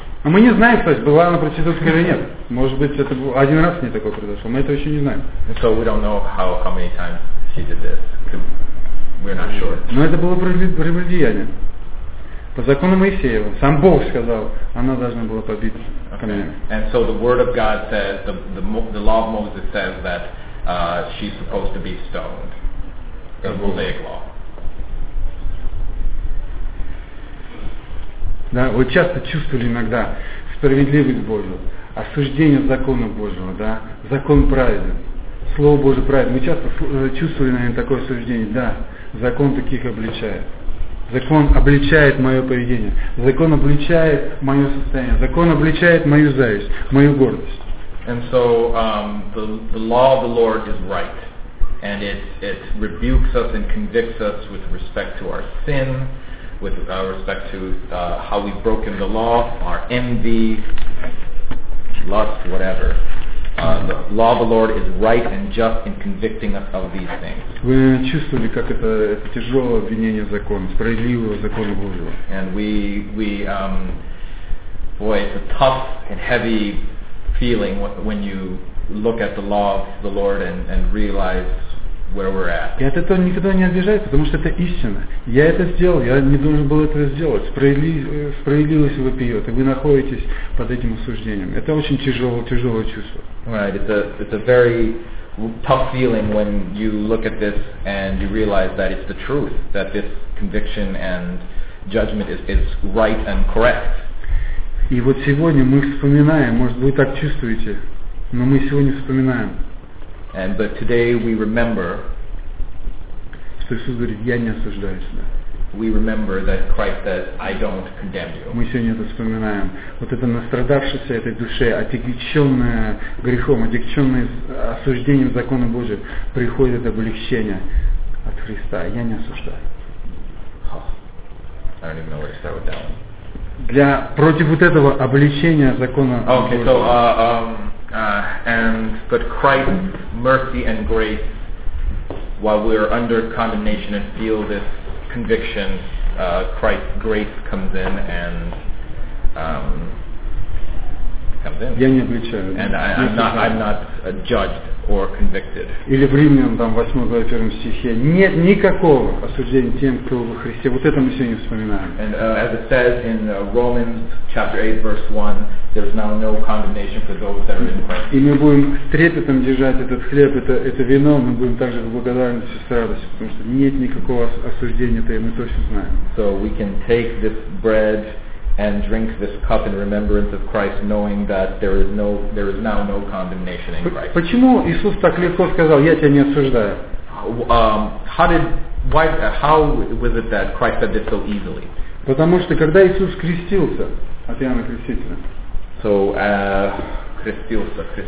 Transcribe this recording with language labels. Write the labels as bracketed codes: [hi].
[ru] А мы не знаем, кстати, была она проститутка или нет. Может быть, это был один раз с ней такое произошло. Мы это еще не знаем. [en] So we don't know how many times she did this. We're not sure. [ru] Но это было прелюбодеяние. По закону Моисеева, сам Бог сказал, она должна была побить камнями. [en] Okay. And so the word of God says, the law of Moses says that she's supposed to be stoned. The Mosaic law. [ru] Да, вы часто чувствовали иногда справедливость Божию, осуждение закона Божьего, да, закон праведен, Слово Божие праведен. Мы часто чувствовали, наверное, такое осуждение, да, закон таких обличает. Закон обличает мое поведение, закон обличает мое состояние, закон обличает мою зависть, мою гордость. [en] And so the law of the Lord is right, and it rebukes us and convicts us with respect to our sin, with respect to how we've broken the law, our envy, lust, whatever. The law of the Lord is right and just in convicting us of these things. [ru] Вы чувствовали, как это тяжелое обвинение закона, справедливого закона Божьего. [en] And we it's a tough and heavy feeling when you look at the law of the Lord and realize where we're at. [ru] И от этого никогда не обижаюсь, потому что это истина. Я это сделал, я не должен был этого сделать. Справедливость вопиет, и вы находитесь под этим осуждением. Это очень тяжелое чувство. [en] Right, it's a very tough feeling when you look at this and you realize that it's the truth, that this conviction and judgment is right and correct. [ru] И вот сегодня мы вспоминаем, может вы так чувствуете, но мы сегодня вспоминаем. [en] And but today we remember, [ru] что Иисус говорит: «Я не осуждаю тебя». [en] We remember that Christ says, I don't condemn you. [ru] Мы сегодня это вспоминаем. Вот это настрадавшееся этой душе, отягченное грехом, отягченное осуждением закона Божия, приходит облегчение от Христа. Я не осуждаю. Huh. [en] I don't even know where to start with that one. [ru] Для против вот этого обличения закона Божия. [en] Okay, so but Christ's mercy and grace, while we are under condemnation and feel this conviction, Christ's grace comes in and comes in. [ru] Я не отвечаю. [en] And I'm not judged or convicted. [ru] Или в Римлянам там 8 глава 1 стихе нет никакого осуждения тем, кто во Христе. Вот это мы сегодня вспоминаем. [en] And as it says in Romans chapter 8 verse 1, there's now no condemnation for those that are in Christ. [ru] И мы будем с трепетом держать этот хлеб, это вино, мы будем также в благодарности и с радостью, потому что нет никакого осуждения, это мы точно знаем. [en] So we can take this bread and drink this cup in remembrance of Christ, knowing that there is now no condemnation in Christ. [ru] Почему Иисус так легко сказал, я тебя не осуждаю? [en] How was it that Christ said this so easily? [ru] Потому что когда Иисус крестился от Иоанна Крестителя. [en] So [ru] крестился.